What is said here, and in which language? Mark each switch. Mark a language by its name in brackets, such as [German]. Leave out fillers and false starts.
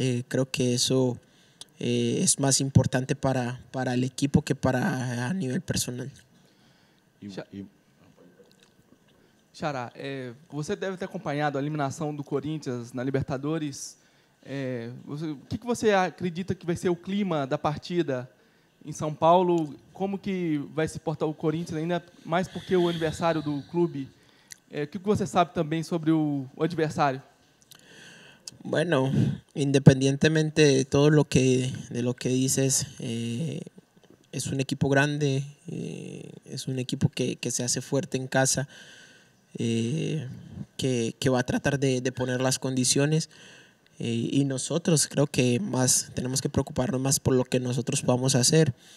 [Spanish] Creo que eso es más importante para el equipo que para a nivel personal. [Portuguese] Xará, você deve ter acompanhado a eliminação do Corinthians na Libertadores. O que você acredita que vai ser o clima da partida em São Paulo? Como que vai se portar o Corinthians, ainda mais porque o aniversário do clube? O que você sabe também sobre o adversário? [Spanish] Bueno, independientemente de todo lo que dices, es un equipo grande, es un equipo que se hace fuerte en casa, que va a tratar de poner las condiciones, y nosotros creo que más tenemos que preocuparnos más por lo que nosotros podamos hacer,